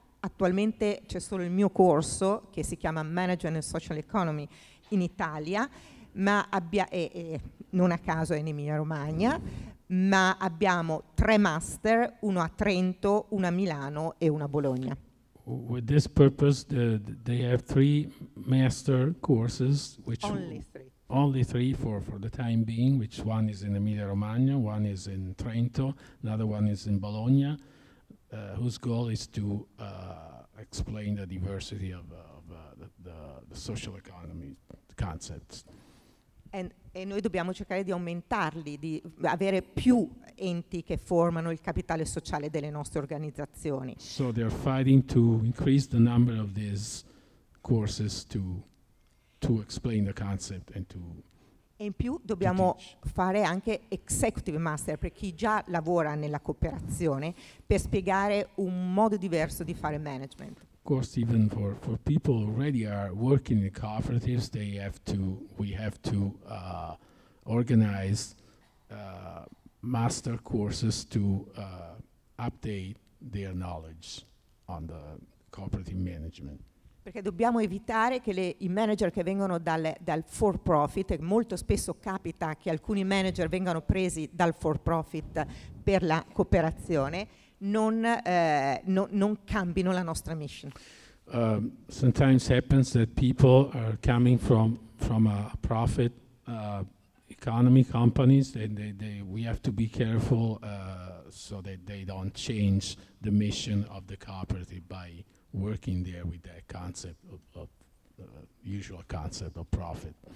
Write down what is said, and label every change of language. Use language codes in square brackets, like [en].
[it] Attualmente c'è solo il mio corso che si chiama Management and Social Economy in Italia, ma non a caso è in Emilia Romagna, ma abbiamo tre master, uno a Trento, uno a Milano e uno a Bologna. [en] With this purpose, they have three master courses, which only three for the time being, which one is in Emilia-Romagna, one is in Trento, another one is in Bologna, whose goal is to explain the diversity of the social economy concepts. [it] E noi dobbiamo cercare di aumentarli, di avere più enti che formano il capitale sociale delle nostre organizzazioni. [en] So they are fighting to increase the number of these courses to explain the concept and to [it] E in più dobbiamo fare anche executive master per chi già lavora nella cooperazione per spiegare un modo diverso di fare management. [en] Of course, even for people who already are working in cooperatives, we have to organize master courses to update their knowledge on the cooperative management. [it] Perché dobbiamo evitare che i manager che vengono dal for profit, molto spesso capita che alcuni manager vengano presi dal for profit per la cooperazione, non cambino la nostra mission. [en] Sometimes happens that people are coming from a profit economy companies, and we have to be careful so that they don't change the mission of the cooperative by working there with that concept of usual concept of profit.